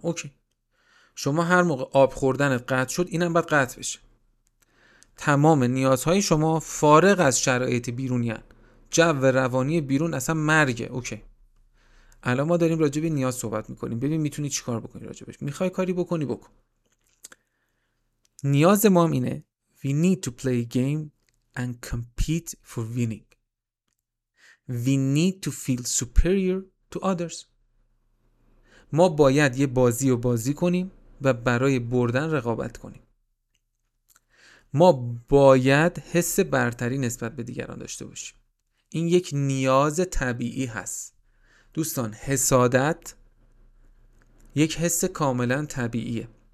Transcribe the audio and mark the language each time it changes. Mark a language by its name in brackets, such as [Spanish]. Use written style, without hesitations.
[Persian] اوکی، شما هر موقع آب خوردنت قطع شد، اینم باید قطع بشه. تمام نیازهای شما فارغ از شرایط بیرونی هن. جو روانی بیرون اصلا مرگه. اوکی، الان ما داریم راجع به نیاز صحبت میکنیم، ببین میتونی چیکار بکنی راجع بهش. میخوای کاری بکنی بکن. نیاز ما هم اینه: [English] We need to play a game and compete for winning. We need to feel superior to others. [Persian] ما باید یه بازی رو بازی کنیم و برای بردن رقابت کنیم. ما باید حس برتری نسبت به دیگران داشته باشیم. این یک نیاز طبیعی هست. دوستان، حسادت یک حس کاملا طبیعیه.